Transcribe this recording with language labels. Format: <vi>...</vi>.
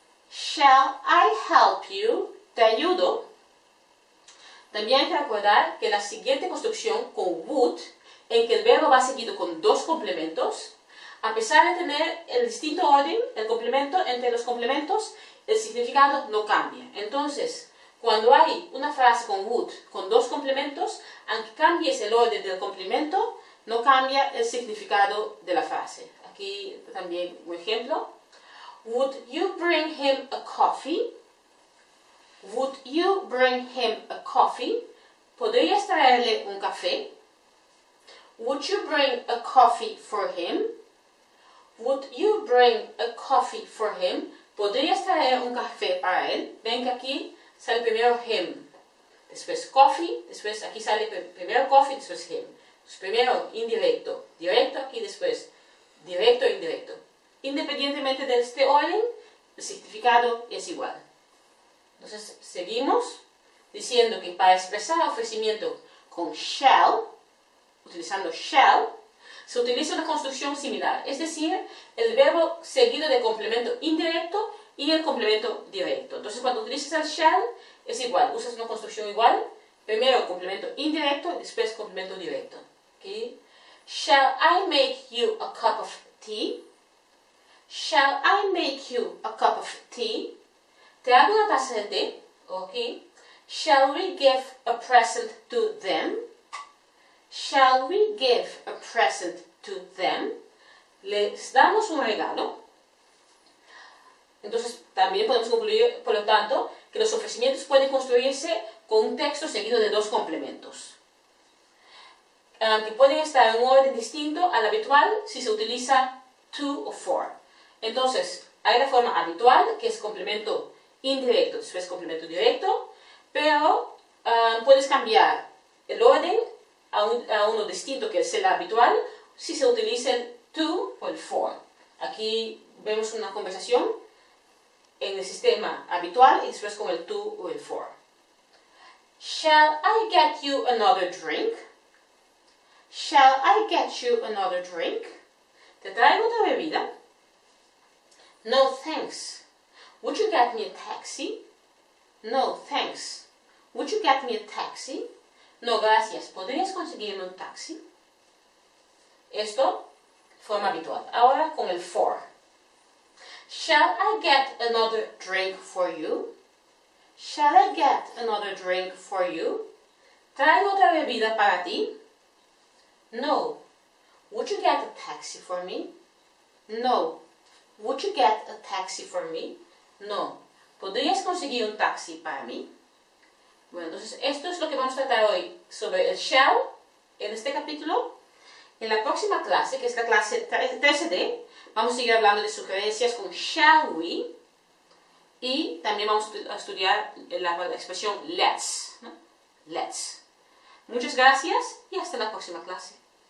<en>Shall I help you?</en> <es>¿Te ayudo? También hay que recordar que la siguiente construcción con would, en que el verbo va seguido con dos complementos, a pesar de tener el distinto orden, el complemento entre los complementos, el significado no cambia. Entonces, cuando hay una frase con would con dos complementos, aunque cambies el orden del complemento, no cambia el significado de la frase. Aquí también un ejemplo.</es> <en>Would you bring him a coffee? Would you bring him a coffee?</en> <es>¿Podrías traerle un café?</es> <en>Would you bring a coffee for him? Would you bring a coffee for him?</en> <es>¿Podrías traer un café para él? Ven que aquí sale primero him, después coffee, después aquí sale primero coffee, después him. Entonces primero indirecto, directo aquí, después directo, indirecto. Independientemente de este orden, el significado es igual. Entonces, seguimos diciendo que para expresar ofrecimiento con shall, utilizando shall, se utiliza una construcción similar. Es decir, el verbo seguido de complemento indirecto y el complemento directo. Entonces, cuando utilizas el shall, es igual. Usas una construcción igual. Primero complemento indirecto, después complemento directo. ¿Okay?</es> <en>Shall I make you a cup of tea? Shall I make you a cup of tea?</en> <es>¿Te hago una taza de té?</es> <en>Ok. Shall we give a present to them? Shall we give a present to them?</en> <es>¿Les damos un regalo? Entonces, también podemos concluir, por lo tanto, que los ofrecimientos pueden construirse con un texto seguido de dos complementos. Que pueden estar en un orden distinto al habitual si se utiliza to o for. Entonces, hay la forma habitual, que es complemento indirecto, después complemento directo, pero puedes cambiar el orden a uno distinto que es el habitual si se utiliza el to o el for. Aquí vemos una conversación en el sistema habitual y después con el to o el for.</es> <en>Shall I get you another drink? Shall I get you another drink?</en> <es>¿Te traigo otra bebida?</es> <en>No, thanks. Would you get me a taxi? No, thanks. Would you get me a taxi?</en> <es>No, gracias. ¿Podrías conseguirme un taxi? Esto, forma habitual. Ahora con el for.</es> <en>Shall I get another drink for you? Shall I get another drink for you?</en> <es>¿Traigo otra bebida para ti?</es> <en>No. Would you get a taxi for me? No. Would you get a taxi for me? No.</en> <es>¿Podrías conseguir un taxi para mí? Bueno, entonces esto es lo que vamos a tratar hoy sobre el shall en este capítulo. En la próxima clase, que es la clase 13D, vamos a seguir hablando de sugerencias con shall we y también vamos a estudiar la expresión let's, ¿no? Let's. Muchas gracias y hasta la próxima clase.</es>